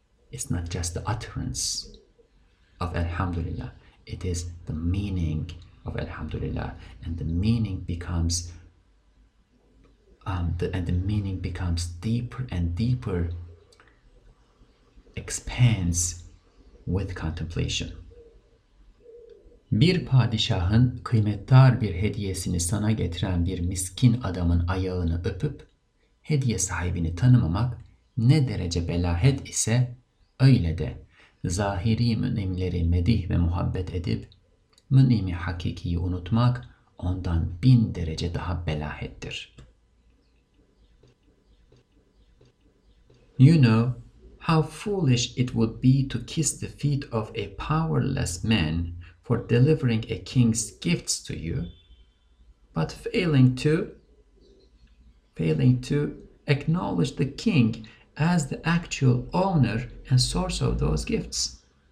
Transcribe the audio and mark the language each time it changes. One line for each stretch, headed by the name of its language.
English: It's not just the utterance of Alhamdulillah, it is the meaning of Alhamdulillah, and the meaning becomes the meaning becomes deeper and deeper, expands with contemplation.
Turkish: Bir padişahın kıymetli bir hediyesini sana getiren bir miskin adamın ayağını öpüp hediye sahibini tanımamak ne derece belahet ise öyle de zahiri münimleri medih ve muhabbet edip münimi hakikiyi unutmak ondan 1000 derece daha belahettir.
English: You know how foolish it would be to kiss the feet of a powerless man for delivering a king's gifts to you, but failing to acknowledge the king as the actual owner and source of those gifts.